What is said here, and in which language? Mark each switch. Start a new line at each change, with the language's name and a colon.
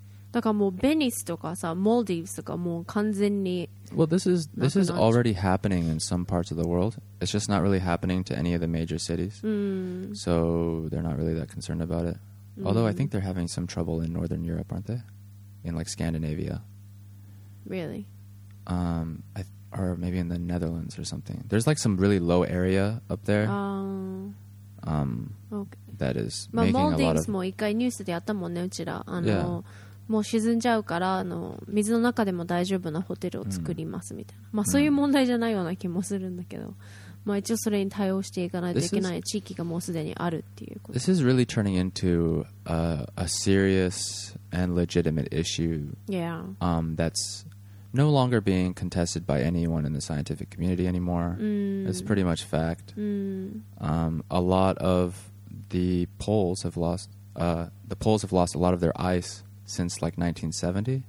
Japanese: だからもうベニスとかさ、モルディブスとかもう完全に。
English: Well, this is already happening in some parts of the world. It's just not really happening to any of the major cities. So they're not really that concerned about it. Although I think they're having some trouble in Northern Europe, aren't they? In like Scandinavia. Really? Or maybe in the Netherlands or something. There's like some really low area up there. Okay. That is making a lot of...
Japanese: Maldives も一回ニュースでやったもんね、うちら。
English: Yeah.
Japanese: もう沈んじゃうから、水の中でも大丈夫なホテルを作りますみたいな。まあそういう問題じゃないような気もするんだけど。まあ、一応それに対応していかないといけない地域がもうすでにあるっていうこと。
English: This is really turning into a serious and legitimate issue. Yeah. That's no longer being contested by anyone in the scientific community anymore. It's pretty much fact. A lot of the poles have lost a lot of their ice since like 1970.